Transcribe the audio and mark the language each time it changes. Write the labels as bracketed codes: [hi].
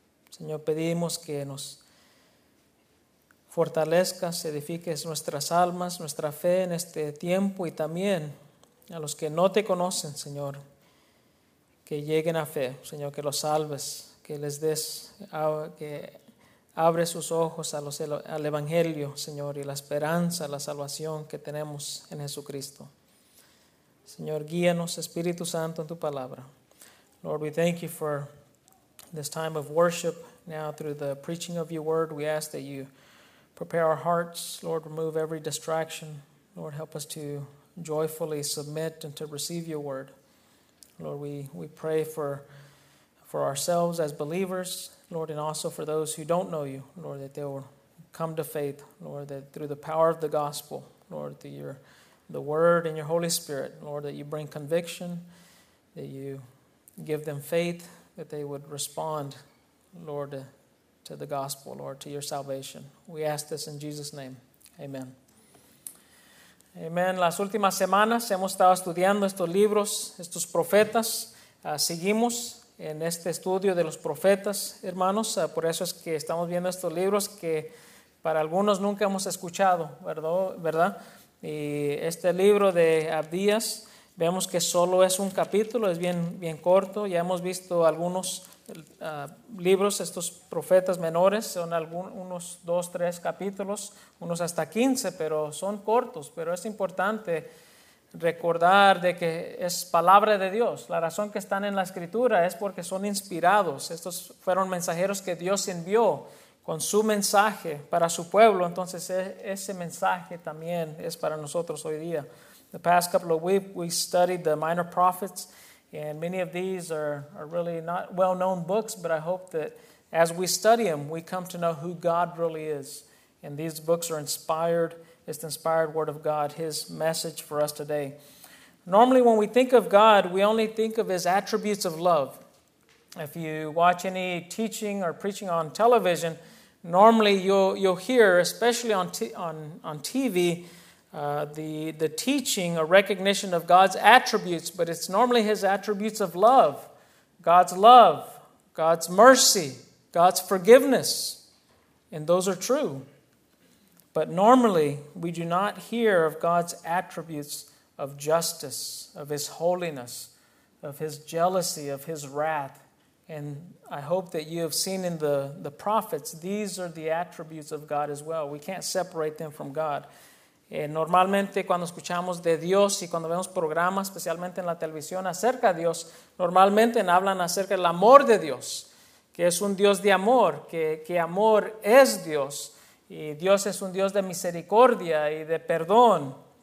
[es] Señor, pedimos que nos fortalezcas, edifiques nuestras almas, nuestra fe en este tiempo y también a los que no te conocen, Señor, que lleguen a fe, Señor, que los salves, que les des, que abre sus ojos al Evangelio, Señor, y la esperanza, la salvación que tenemos en Jesucristo. Señor, guíanos, Espíritu Santo, en tu palabra. [en] Lord, we thank you for this time of worship. Now, through the preaching of your word, we ask that you prepare our hearts. Lord, remove every distraction. Lord, help us to joyfully submit and to receive your word. Lord, we pray for ourselves as believers, Lord, and also for those who don't know you, Lord, that they will come to faith, Lord, that through the power of the gospel, Lord, through the word and your Holy Spirit, Lord, that you bring conviction, that you give them faith, that they would respond, Lord, to the gospel, Lord, to your salvation. We ask this in Jesus' name. Amen. Amen. [es] Las últimas semanas hemos estado estudiando estos libros, estos profetas. Seguimos en este estudio de los profetas, hermanos. Por eso es que estamos viendo estos libros que para algunos nunca hemos escuchado, ¿verdad? Y este libro de Abdías, vemos que solo es un capítulo, es bien, bien corto. Ya hemos visto algunos libros, estos profetas menores, son unos 2-3 capítulos, unos hasta 15, pero son cortos. Pero es importante recordar de que es palabra de Dios. La razón que están en la escritura es porque son inspirados. Estos fueron mensajeros que Dios envió con su mensaje para su pueblo. Entonces ese mensaje también es para nosotros hoy día. [en] The past couple of weeks we studied the minor prophets, and many of these are really not well-known books, but I hope that as we study them, we come to know who God really is. And these books are inspired. It's the inspired word of God, his message for us today. Normally, when we think of God, we only think of his attributes of love. If you watch any teaching or preaching on television, Normally, you'll hear, especially on TV, the teaching, a recognition of God's attributes, but it's normally His attributes of love, God's mercy, God's forgiveness, and those are true. But normally, we do not hear of God's attributes of justice, of His holiness, of His jealousy, of His wrath. And I hope that you have seen in the prophets, these are the attributes of God as well. We can't separate them from God. [es] Normalmente, cuando escuchamos de Dios y cuando vemos programas, especialmente en la televisión, acerca de Dios, normalmente hablan acerca del amor de Dios, que es un Dios de amor, que amor es Dios. Y Dios es un Dios de misericordia y de perdón.